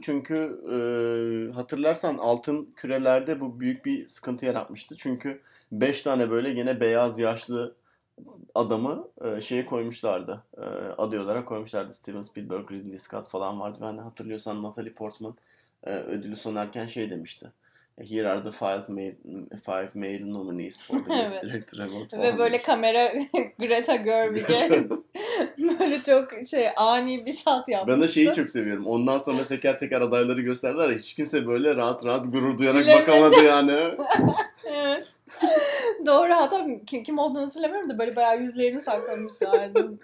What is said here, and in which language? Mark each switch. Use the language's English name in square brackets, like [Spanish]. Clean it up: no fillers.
[Turkish] Çünkü hatırlarsan altın kürelerde bu büyük bir sıkıntı yaratmıştı. Çünkü 5 tane böyle yine beyaz yaşlı adamı şeye koymuşlardı. Aday olarak koymuşlardı. Steven Spielberg, Ridley Scott falan vardı. Ben de hatırlıyorsan Natalie Portman ödülü sonarken şey demişti. [English] Here are the five male nominees for the best director award. [Turkish] Ve böyle kamera Greta Gerwig'e böyle çok şey ani bir shot yapmıştı. Ben de şeyi çok seviyorum. Ondan sonra teker teker adayları gösterdiler. Hiç kimse böyle rahat rahat gurur duyarak bakamadı yani. Evet. Doğru, hatta kim olduğunu hatırlamıyorum da böyle bayağı yüzlerini saklamışlardı.